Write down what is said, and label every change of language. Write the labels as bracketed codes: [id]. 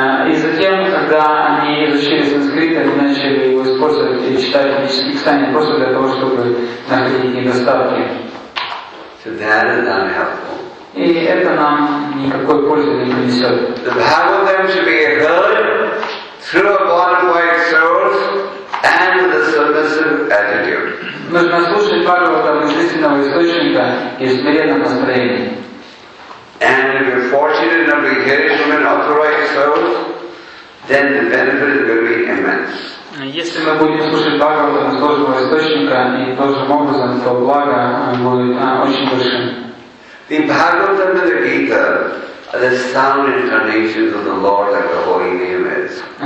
[ru] И затем, когда они изучили санскрит, они начали его использовать и читать ведические писания просто для того, чтобы находить недостатки. [en] So that is not helpful. [ru] И это нам никакой пользы не принесет. [en] The Bhagavatam should be heard through a bona fide source and with a submissive attitude. [ru] Нужно слушать Бхагаватам из истинного источника и в смиренном настроении. [en] And if you're fortunate enough to hear it from an authorized source, then the benefit is going to be immense. [ru] Если мы будем слушать Бхагаватам из должного источника и должным образом, то благо будет очень большим. [en] The Bhagavatam and the Gita are the sound incarnations of the Lord like the Holy Name is.